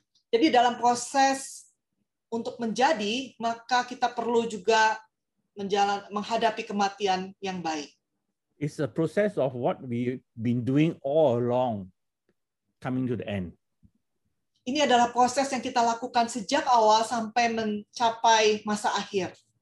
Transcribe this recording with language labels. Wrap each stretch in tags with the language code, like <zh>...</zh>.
<id>Jadi dalam proses untuk menjadi, maka kita perlu juga menghadapi kematian yang baik.</id> <en>It's a process of what we've been doing all along. Coming to the end.</en> <id>Ini adalah proses yang kita lakukan sejak awal sampai mencapai masa akhir.</id>